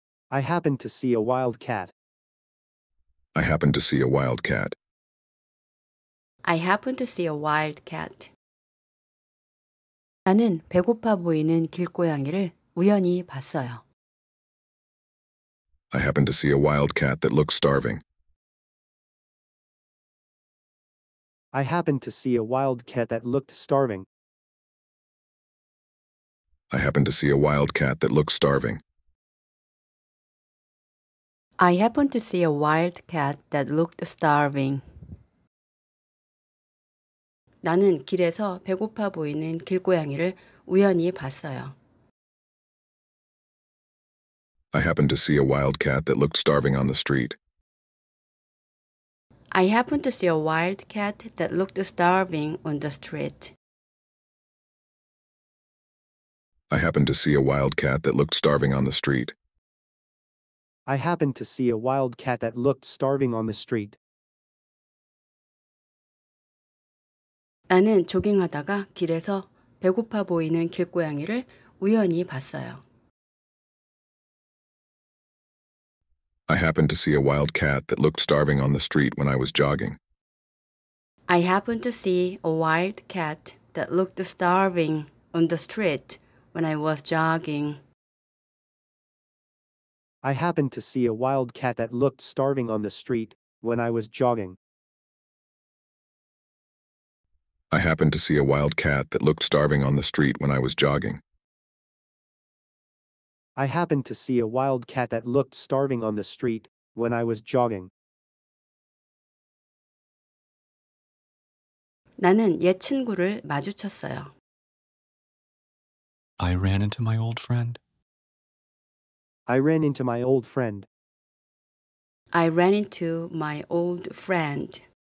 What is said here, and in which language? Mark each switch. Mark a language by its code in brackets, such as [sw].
[en] I happened to see a wild cat. I happened to see a wild cat. I happened to see a wild cat. [ko] 나는 배고파 보이는 길고양이를 우연히 봤어요. [en] I happened to see a wild cat that looked starving. I happened to see a wild cat that looked starving. I happened to see a wild cat that looked starving. I happened to see a wild cat that looked starving. [ko] 나는 길에서 배고파 보이는 길고양이를 우연히 봤어요. [en] I happened to see a wild cat that looked starving on the street. I happened to see a wild cat that looked starving on the street. I happened to see a wild cat that looked starving on the street. I happened to see a wild cat that looked starving on the street. [ko] 나는 조깅하다가 길에서 배고파 보이는 길고양이를 우연히 봤어요. [en] I happened to see a wild cat that looked starving on the street when I was jogging. I happened to see a wild cat that looked starving on the street when I was jogging. I happened to see a wild cat that looked starving on the street when I was jogging. I happened to see a wild cat that looked starving on the street when I was jogging. I happened to see a wild cat that looked starving on the street when I was jogging. [ko] 나는 옛 친구를 마주쳤어요. [en] I ran into my old friend. I ran into my old friend. I ran into my old friend.